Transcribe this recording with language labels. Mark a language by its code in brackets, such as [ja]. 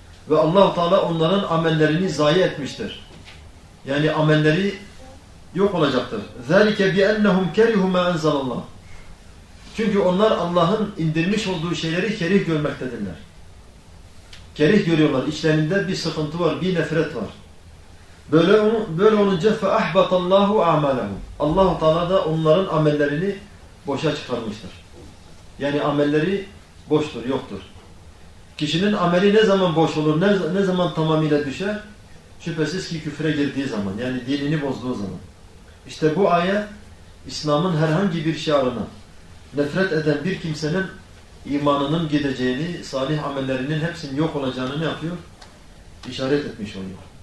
[tr] Ve Allah-u Teala onların amellerini zayi etmiştir. Yani amelleri yok olacaktır. [ar] ذَلِكَ بِأَنَّهُمْ كَرِهُ مَا اَنْزَلَ اللّٰهُ. [tr] Çünkü onlar Allah'ın indirmiş olduğu şeyleri kerih görmektedirler. Kerih görüyorlar. İçlerinde bir sıkıntı var, bir nefret var. Böyle olunca [ar] فَأَحْبَطَ اللّٰهُ عَمَالَهُمْ. [tr] Allah-u Teala da onların amellerini boşa çıkarmıştır. Yani amelleri boştur, yoktur. Kişinin ameli ne zaman boş olur, ne zaman tamamıyla düşer? Şüphesiz ki küfre girdiği zaman, yani dinini bozduğu zaman. İşte bu ayet, İslam'ın herhangi bir şiarına nefret eden bir kimsenin imanının gideceğini, salih amellerinin hepsinin yok olacağını ne yapıyor? İşaret etmiş oluyor.